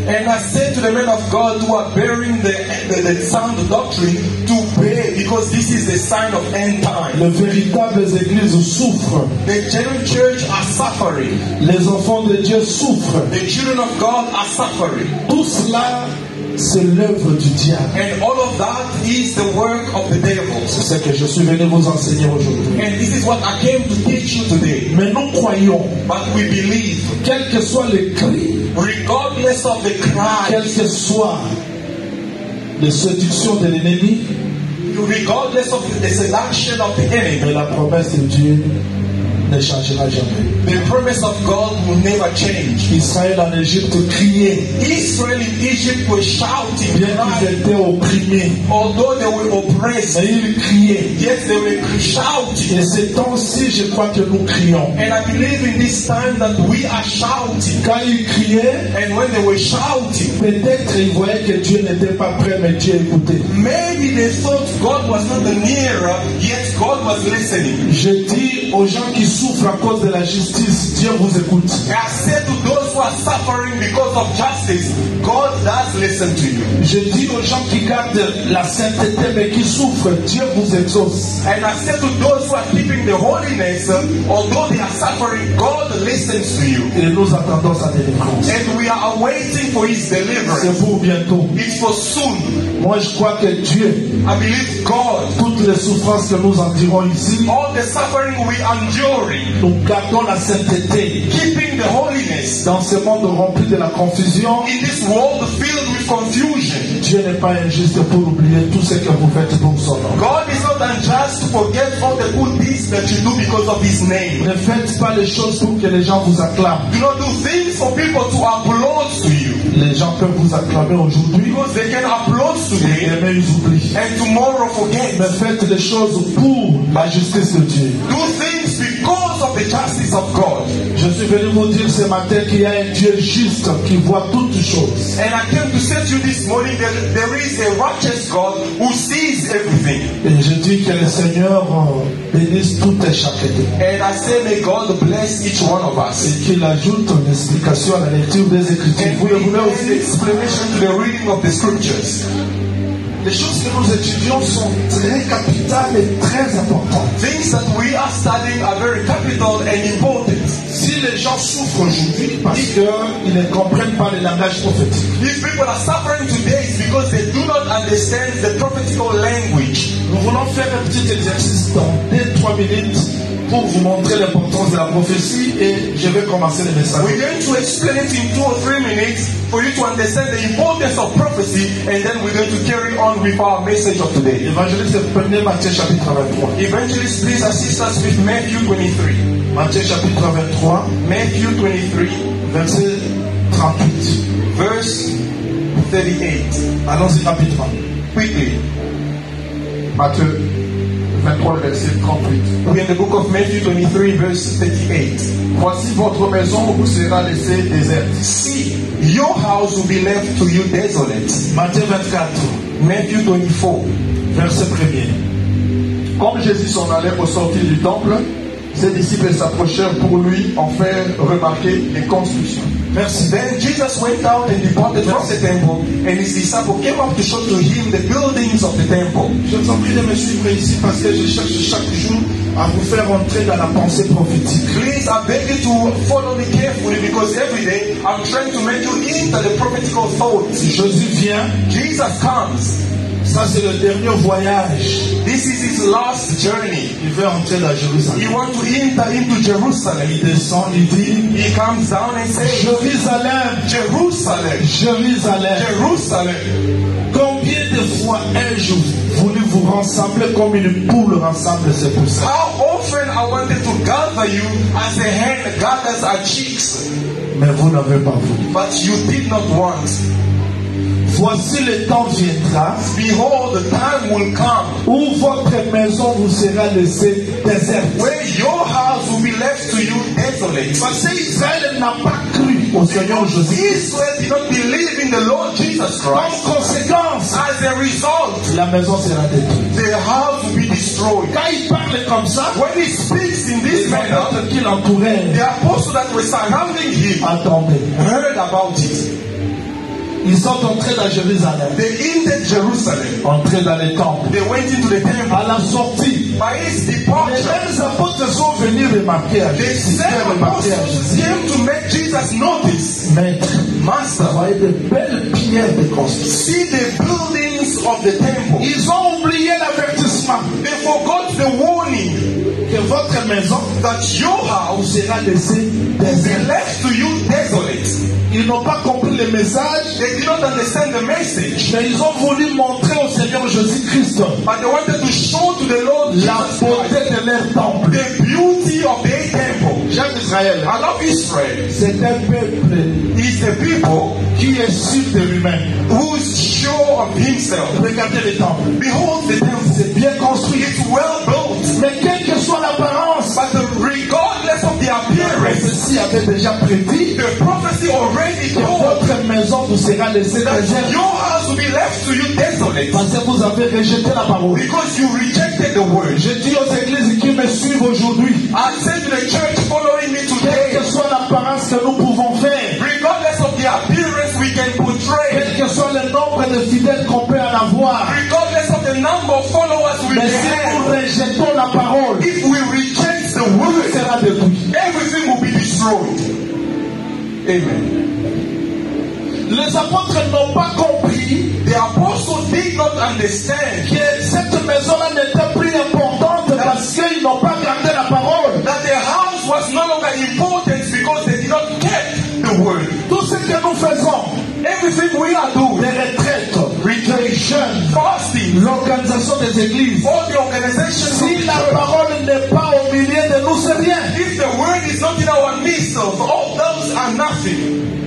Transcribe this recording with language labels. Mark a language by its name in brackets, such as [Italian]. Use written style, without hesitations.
[English] And I say to the men of God who are bearing the sound doctrine to pray, because this is the sign of end time. [French] Les véritables églises souffrent. [English] The genuine church are suffering. [French] Les enfants de Dieu souffrent. [English] The children of God are suffering. [French] Tout cela, c'est l'œuvre du diable. [English] And all of that is the work of the devil. [French] C'est ce que je suis venu vous enseigner aujourd'hui. [English] And this is what I came to teach you today. [French] Mais nous croyons. [English] But we believe. [French] Quel que soit le cri. [English] Regardless of the cry. [French] Quel que soit les séductions de l'ennemi. [English] Regardless of the seduction of the enemy. [French] Mais la promesse de Dieu ne changera jamais. [English] The promise of God will never change. [French] Israël en Égypte criait. [English] Israel in Egypt was shouting. [French] Bien qu'ils étaient opprimés. [English] Although they were oppressed. [French] Mais ils criaient. [English] Yet they were shouting. [French] Et ces temps-ci, je crois que nous crions. [English] And I believe in this time that we are shouting. [French] Quand ils criaient. [English] And when they were shouting. [French] Peut-être ils voyaient que Dieu n'était pas prêt, mais Dieu écoutait. [English] Maybe they thought God was not near, yet God was listening. [French] Je dis aux gens qui souffrent à cause de la justice, Dieu vous écoute. [English] I say to those who are suffering because of justice, God does listen to you. [French] Je dis aux gens qui gardent la sainteté mais qui souffrent, Dieu vous exauce. [English] And I say to those who are keeping the holiness, although they are suffering, God listens to you. [French] Et nous attendons sa délivrance. [English] And we are waiting for his deliverance. [French] C'est pour bientôt. [English] It's for soon. [French] Moi, je crois que Dieu, [English] I believe God, [French] toutes les souffrances que nous endurons ici, [English] all the suffering we enduring, [French] nous gardons la sainteté, [English] keeping the holiness, [French] dans ce monde rempli de la confusion, [English] in this world filled with confusion. [French] Dieu n'est pas injuste pour oublier tout ce que vous faites pour son nom. [English] God is not unjust to forget all the good deeds that you do because of His name. [French] Ne faites pas les choses pour que les gens vous acclament. [English] Do not do things for people to applaud to you. [French] Les gens peuvent vous acclamer aujourd'hui. [English] Because they can applaud today. [French] Et demain ils oublient. [English] And tomorrow forget. [French] Ne faites les choses pour la justice de Dieu. [English] Do things because of the justice of God. [French] Je suis venu vous dire ce matin qu'il y a un Dieu juste qui voit toutes choses. [English] And I came to say to you this morning that there is a righteous God who sees everything. [French] Et je dis que le Seigneur bénisse tout et chacun de nous. [English] And I say may God bless each one of us. [French] Et qu'il ajoute une explication à la lecture des Écritures. Vous le voulez aussi? [English] Explanation to the reading of the Scriptures. [French] Les choses que nous étudions sont très capitales et très importantes. [English] Things that we are studying are very capital and important. [French] Si les gens souffrent aujourd'hui parce qu'ils ne comprennent pas le langage prophétique. [English] If people are suffering today, it's because they do not understand the prophetical language. [French] Nous voulons faire un petit exercice dans 2-3 minutes pour vous montrer l'importance de la prophétie et je vais commencer le message. [English] We're going to explain it in 2-3 minutes for you to understand the importance of prophecy and then we're going to carry on with our message of today. [French] Evangelist, prenez Matthieu chapitre 23. [English] Evangelist, please assist us with Matthew 23. [French] Matthieu chapitre 23. [English] Matthew 23. [French] Verset 38. [English] Verse 38. [French] Allons-y rapidement. [English] Quickly. [French] Matthieu 23, verset 38. [English] We're in the book of Matthew 23, verse 38. [French] Voici votre maison vous sera laissée déserte. [English] See, your house will be left to you desolate. [French] Matthieu 24. [English] Matthew 24. [French] Verset 1er. Comme Jésus s'en allait ressortir du temple, ses disciples s'approchèrent pour lui en faire remarquer les constructions. Merci. [English] Then Jesus went out and departed from the temple, and his disciples came up to show to him the buildings of the temple. [French] Je vous en prie de me suivre ici parce que je cherche chaque jour à vous faire entrer dans la pensée prophétique. [English] Please, I beg you to follow me carefully because every day I'm trying to make you into the prophetical thought. [French] Jésus vient. [English] Jesus comes. [French] Ça c'est le dernier voyage. [English] This is his last journey. [French] Il veut entrer dans Jérusalem. [English] He wants to enter into Jerusalem. [French] Il descend, il dit. [English] He comes down and says, [French] Jérusalem, Jérusalem, Jérusalem, Jérusalem. Combien de fois ai-je voulu vous rassembler comme une poule rassemble ses poussins? [English] How often I wanted to gather you as a hen gathers her chicks. [French] Mais vous n'avez pas voulu. [English] But you did not want. [French] Voici le temps viendra. [English] Behold, the time will come. [French] Où votre maison vous sera laissée déserte. [English] Where your house will be left to you desolate. [French] Parce que Israël n'a pas cru au Seigneur Jésus. [English] Israel did not believe in the Lord Jesus Christ. [French] En conséquence, [English] as a result, [French] la maison sera détruite. [English] The house will be destroyed. [French] Quand il parle comme ça, [English] when he speaks in this manner, the apostles that were surrounding him, [French] attendez, [English] heard about it. [French] Ils sont entrés dans Jérusalem. [English] They entered Jerusalem. [French] Entrés dans le temple. [English] They went into the temple. [French] À la sortie. [English] By his departure. [French] Les apôtres sont venus remarquer à Jésus. [English] They said apostles came to make Jesus notice. [French] Maître. [English] Master. [French] Voyez de belles pierres de construction. [English] See the buildings of the temple. [French] Ils ont oublié l'avertissement. [English] They forgot the warning. [French] Que votre maison, [English] that your house [French] sera laissée désolée. [English] Be left to you desolate. [French] Ils n'ont pas compris le message. [English] They did not understand the message. [French] Mais ils ont voulu montrer au Seigneur Jésus Christ. [English] But they wanted to show to the Lord [French] la beauté de leur temple. [English] The beauty of their temple. [French] J'aime Israël. [English] I love Israel. [French] C'est un peuple. [English] It's a people [French] qui est sûr de lui-même. [English] Who is sure of himself. [French] Regardez le temple. [English] Behold the temple. [French] C'est bien construit. [English] It's well built. [French] Mais quelle que soit l'apparence. [English] But the regardless of the appearance. [French] Ceci avait déjà prédit. [English] The prophecy already told. [French] Votre maison vous sera laissée désolée. [English] Your house will be left to you desolate. [French] Parce que vous avez rejeté la parole. [English] Because you rejected the word. [French] Je dis aux églises qui me suivent aujourd'hui. [English] I said to the church following me today. [French] Quelle que soit l'apparence que nous pouvons faire. [English] Regardless of the appearance we can portray. [French] Quel que soit le nombre de fidèles qu'on peut en avoir. [English] Regardless of the number of followers we [French] mais si nous rejetons la parole. [English] If we reject the word. [French] Tout sera détruit. [English] Everything will be destroyed. [French] Amen. Les apôtres n'ont pas compris. [English] The apostles did not understand. [French] Que cette maison-là n'était plus importante that parce qu'ils n'ont pas gardé la parole. [English] That their house was no longer important because they did not keep the word. [French] Tout ce que nous faisons, [English] everything we are doing, [French] les des églises. [English] For the organization, [French] si la parole n'est pas au milieu de nous, c'est rien. [English] If the word is not in our midst, all those are nothing.